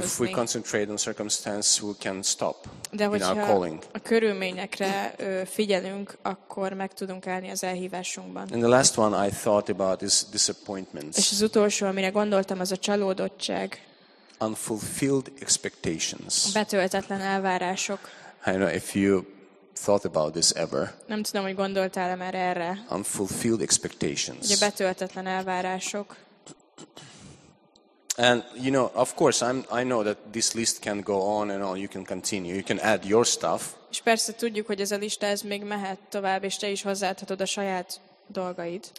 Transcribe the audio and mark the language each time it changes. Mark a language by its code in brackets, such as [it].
[en] But if we concentrate on circumstance, we can stop. [hu] De hogyha a körülményekre figyelünk, akkor meg tudunk állni az elhívásunkban. [en] And the last one I thought about is disappointments. [hu] És az utolsó, amire gondoltam, az a csalódottság. [en] Unfulfilled expectations. [hu] Betöltetlen elvárások. [en] I know if you thought about this ever. [hu] Nem tudom, hogy gondoltál-e már erre. [en] Unfulfilled expectations. [hu] Ugye betöltetlen elvárások. [en] And you know, of course, I know that this list can go on and on. You can continue. You can add your stuff. [hu] És persze tudjuk, hogy ez a lista ez még mehet tovább, és te is hozzáadhatod a saját dolgaid.